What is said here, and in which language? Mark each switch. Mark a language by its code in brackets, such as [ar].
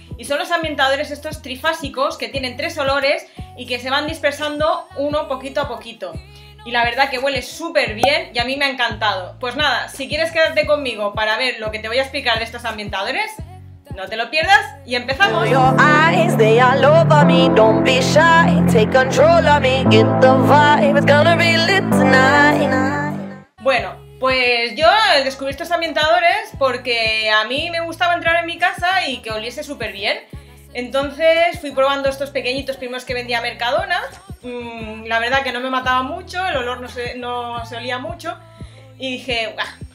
[es] Y son los ambientadores estos trifásicos que tienen tres olores y que se van dispersando uno poquito a poquito. Y la verdad que huele súper bien y a mí me ha encantado. Pues nada, si quieres quedarte conmigo para ver lo que te voy a explicar de estos ambientadores, no te lo pierdas y empezamos. [en] Your eyes, they all over me, don't be shy, take control of me, get the vibe, it's gonna be lit tonight. [es] Bueno, pues yo descubrí estos ambientadores porque a mí me gustaba entrar en mi casa y que oliese súper bien. Entonces fui probando estos pequeñitos primeros que vendía Mercadona. La verdad que no me mataba mucho, el olor no se olía mucho. Y dije, ¡buah!